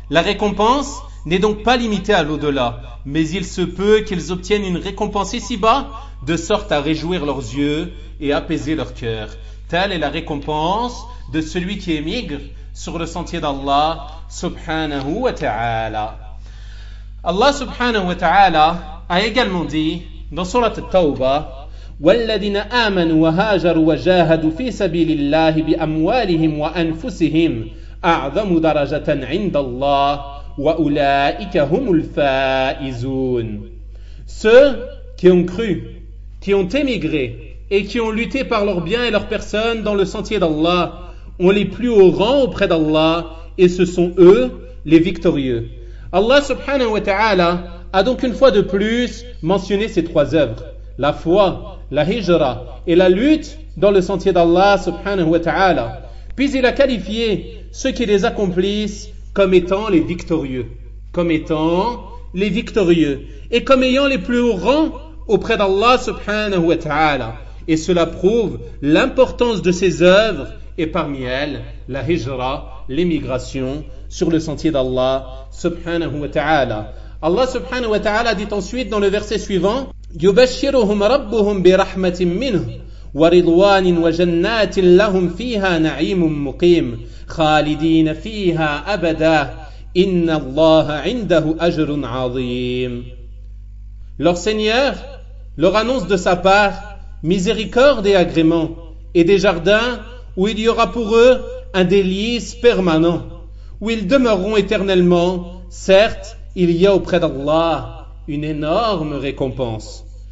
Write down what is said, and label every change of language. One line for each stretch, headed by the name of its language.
French: La récompense n'est donc pas limitée à l'au-delà, mais il se peut qu'ils obtiennent une récompense ici-bas de sorte à réjouir leurs yeux et apaiser leur cœur. Telle est la récompense de celui qui émigre sur le sentier d'Allah subhanahu wa ta'ala. Allah subhanahu wa ta'ala a également dit dans sourate At-Tawbah:
Arabic: والذين آمنوا وهاجروا وجاهدوا في سبيل الله بأموالهم وأنفسهم أعظم درجة عند الله وأولئك هم الفائزون.
French: Ceux qui ont cru, qui ont émigré et qui ont lutté par leurs biens et leurs personnes dans le sentier d'Allah ont les plus hauts rangs auprès d'Allah et ce sont eux les victorieux. Allah subhanahu wa ta'ala a donc une fois de plus mentionné ces trois œuvres: la foi, la hijra et la lutte dans le sentier d'Allah subhanahu wa ta'ala. Puis il a qualifié ceux qui les accomplissent comme étant les victorieux, et comme ayant les plus hauts rangs auprès d'Allah subhanahu wa ta'ala. Et cela prouve l'importance de ces œuvres, et parmi elles la hijra, l'émigration sur le sentier d'Allah subhanahu wa ta'ala. Allah subhanahu wa ta'ala dit ensuite dans le verset suivant:
Arabic: يبشرهم ربهم برحمة منه ورضوان وجنات لهم فيها نعيم مقيم خالدين فيها أبدا إن الله عنده أجر عظيم.
French: Leur Seigneur leur annonce de sa part miséricorde et agrément, et des jardins où il y aura pour eux un délice permanent, où ils demeureront éternellement. Certes, il y a auprès d'Allah une énorme récompense.